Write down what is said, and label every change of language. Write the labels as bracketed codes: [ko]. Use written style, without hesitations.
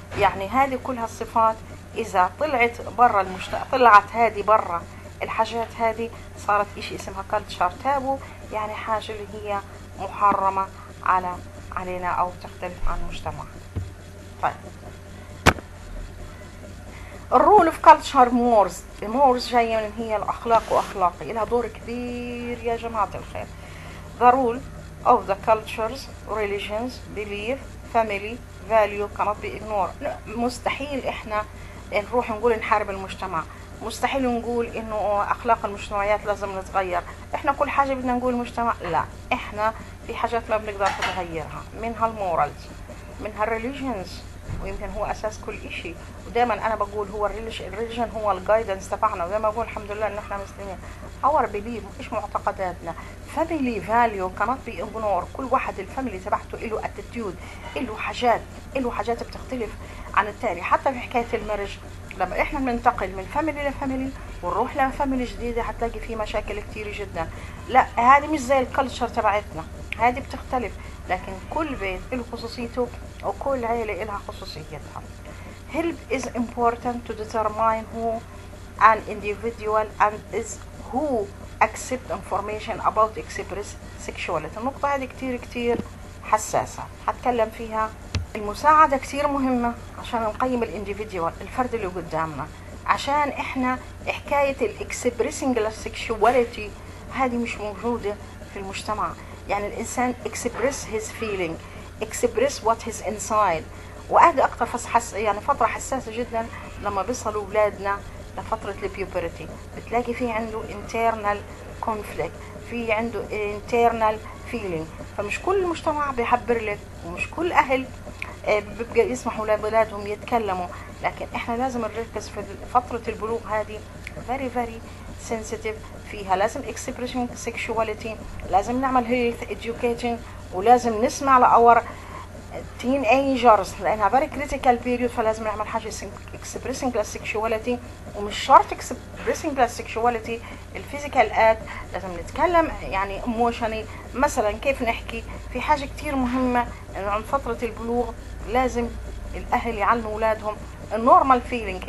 [ar] يعني هذه كلها الصفات اذا طلعت برا المجتمع، طلعت هذه برا الحاجات هذه صارت اشي اسمها كلتشر تابو، يعني حاجة اللي هي محرمة على علينا او تختلف عن المجتمع. طيب [en] الرول of culture mores, [ar] المورز جاي من هي الاخلاق واخلاقي، لها دور كبير يا جماعة الخير. [en] The rule of the cultures, religions, belief, family, value cannot be ignored. [ar] مستحيل احنا نروح نقول نحارب المجتمع، مستحيل نقول انه اخلاق المجتمعيات لازم نتغير. احنا كل حاجة بدنا نقول المجتمع، لا، احنا في حاجات ما بنقدر نغيرها، منها المورالز، منها الريليجنز، ويمكن هو اساس كل اشي. ودائما انا بقول هو الريليجن هو الجايدنس تبعنا، ودائما بقول الحمد لله ان احنا مسلمين. اور بليف ايش معتقداتنا، [en] family value كانت be ignore, [ar] كل واحد الفاميلي تبعته له اتيتيود، له حاجات بتختلف عن التاني. حتى في حكاية المرج لما احنا بننتقل من فاميلي لفاميلي ونروح لفاميلي جديدة هتلاقي فيه مشاكل كتير جدا. لا، هذه مش زي الكلتشر تبعتنا، هذه بتختلف، لكن كل بيت له خصوصيته وكل عيلة لها خصوصيتها. [en] Help is important to determine who an individual and is who accept information about express sexuality. [ar] النقطة هذه كتير كتير حساسة هتكلم فيها. المساعدة كتير مهمة عشان نقيم الانديفيديوال، الفرد اللي قدامنا، عشان احنا حكاية الاكسبريسنج للسيكشواليتي هذه مش موجودة في المجتمع. يعني الانسان [en] Express his feeling, express what his inside. [ar] وقعد اكتر يعني فترة حساسة جدا لما بيصلوا اولادنا لفترة البيوبرتي، بتلاقي في عنده انترنال كونفليكت، في عنده انترنال فيلينج. فمش كل المجتمع بيعبر لك، ومش كل اهل بيبقى يسمحوا لأولادهم يتكلموا، لكن احنا لازم نركز في فترة البلوغ هذه [en] very very sensitive [ar] فيها. لازم expression sexuality، لازم نعمل [en] health education، [ar] ولازم نسمع لأور teenagers لأنها [en] very critical period. [ar] فلازم نعمل حاجة expression sexuality، ومش شرط expression sexuality الphysical act، لازم نتكلم يعني emotionally مثلا كيف نحكي. في حاجة كتير مهمة انه عن فترة البلوغ لازم الاهل يعلموا اولادهم النورمال فيلينج.